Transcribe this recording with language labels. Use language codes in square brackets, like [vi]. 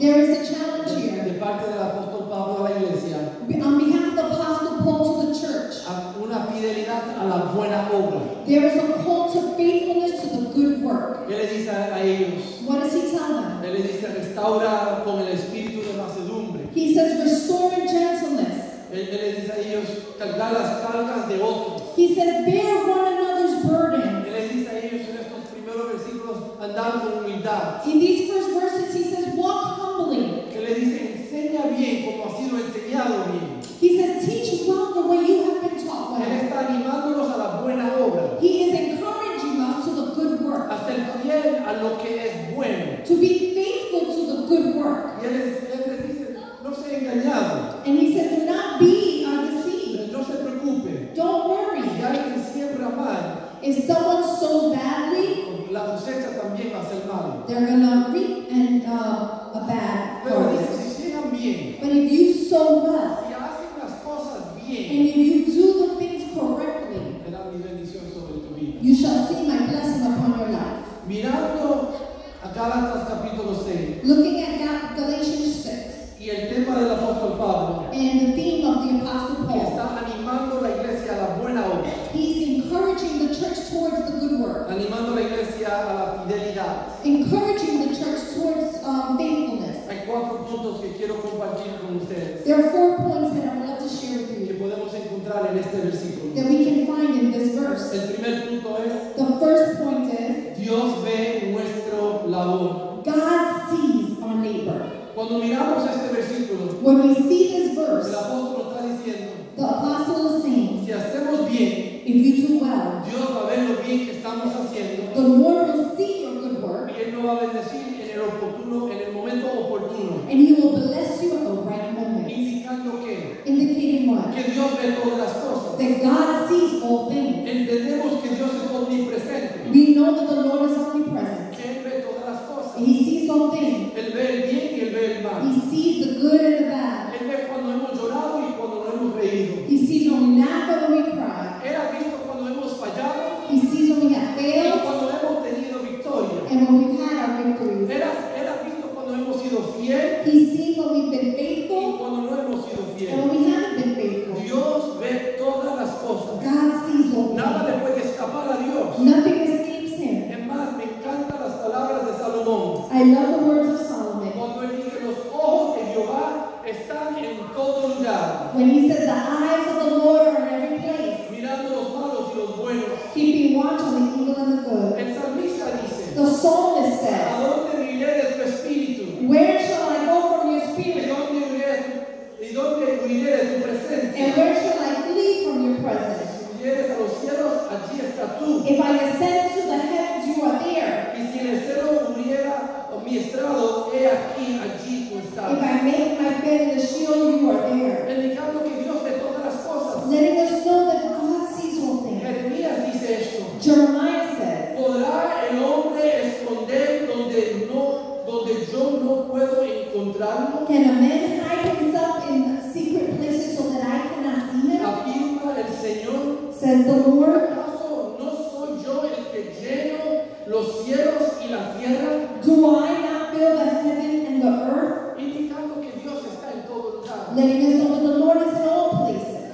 [en] There is a challenge here. [es] De parte del apóstol Pablo a la iglesia. [en] On behalf of the apostle Paul to the church. [es] A una fidelidad a la buena obra. [en] There is a call to faithfulness to the good work. [es] ¿Qué le dice a ellos? [en] What does he tell them? [es] Él le dice, restaura con el espíritu de mansedumbre. [en] He says, restore in gentleness. [es] Él le dice a ellos, cargar las cargas de otros. [en] He says, bear one another's burdens. [es] Él le dice a ellos en estos primeros versículos, andar con humildad. [en] In these first verses, he says, walk humbly. [es] Él le dice, enseña bien como ha sido enseñado bien. [en] He says, teach well the way you have been taught well. [es] Él está animándolos a la buena obra. [en] He is encouraging us to the good work. [es] A ser fiel a lo que es bueno. [en] To be faithful to the good work. [es] Y él les dice, no sea engañado. [en] And he says, do not be deceived. [es] No se preocupe. [en] Don't worry. [es] Si alguien siembra mal. [en] If someone sows badly. [es] La cosecha también va a ser mal. [en] They're going to reap and a bad harvest. [es] Pero si siembran bien. [en] But if you sow well. And if you do the things correctly, you shall see my blessing upon your life. [es] Mirando a Galatas capítulo 6, [en] looking at Galatians 6, [es] y el tema del apóstol Pablo, [en] and the theme of the apostle Paul, [es] está animando la iglesia a la buena obra, [en] he's encouraging the church towards the good work, [es] animando la iglesia a la fidelidad, [en] encouraging the church towards faithfulness. [es] Hay cuatro puntos que quiero compartir con ustedes. [en] There are four points that I would love to share with you. [es] En este versículo. [en] That we can find in this verse. [es] El primer punto es, [en] the first point is, [es] Dios ve nuestro labor. [en] God sees our labor. [es] Cuando miramos este versículo, [en] when we see this verse, [es] el apóstol está diciendo, [en] the apostle is saying, [es] si hacemos bien, [en] if we do well, [es] Dios va a ver lo bien que estamos haciendo, [en] the Lord will see your good work, [es] y él nos va a bendecir en el oportuno, en el momento oportuno, [en] and he will bless you at the right moment. [es] Indicando que, [en] indicating what? [es] Que Dios ve todas las cosas. [en] that God sees all things. [es] Entendemos que Dios es omnipresente. [en] We know that the Lord is omnipresent. [es] Que él ve todas las cosas. [en] He sees all things. [es] Él ve el bien y él ve el mal. [en] He sees the good and the bad. [es] Él ve cuando hemos llorado y cuando no hemos reído. [en] He sees when we laugh and when we cry. [es] Él ha visto cuando hemos fallado. [en] He sees when we have failed. [es] Y cuando hemos tenido victoria. [en] And when we've had our victory. [es] Él ha visto cuando hemos sido fiel. [en] He sees when we've been faithful. [es] Y cuando no hemos sido fiel. [en] And when we haven't been faithful. [es] Dios ve todas las cosas. [en] God sees all things. [es] Nada le puede escapar a Dios. [en] Nothing. I love the words of Solomon. [es] Cuando él dice los ojos de Jehová están en todo lugar. [en] When he says the eyes of the Lord are in every place. [es] Mirando los malos y los buenos. [en] Keeping watch on the evil and the good. [es] El salmista dice. [en] The psalmist says. [es] ¿A dónde iré de tu espíritu? [en] Where shall I go from your spirit? [es] ¿Y dónde huiré de tu presencia? [en] And where shall I flee from your presence? [es] Si subieres a los cielos, allí está tú. [en] If I ascend to the heavens, you are there. [es] Y si en el cielo hubiera mi estrado, he aquí, allí tú estás. [en] If I make my bed in the shield, you are there. [es] Indicando que Dios ve todas las cosas. [en] Letting us know that God sees all things. [es] Jeremías dice esto. [en] Jeremiah says. [es] ¿Podrá el hombre esconder donde yo no puedo encontrarlo? [en] Can a man hide himself in secret places so that I cannot see him? [es] Afirma el Señor. [en] Says the Lord. [es] ¿Acaso no soy yo el que lleno los cielos y la tierra? [en] Do I not fill the heaven and the earth? [es] Indicando que Dios está en todo lugar. [en] Letting us know that the Lord is in all places.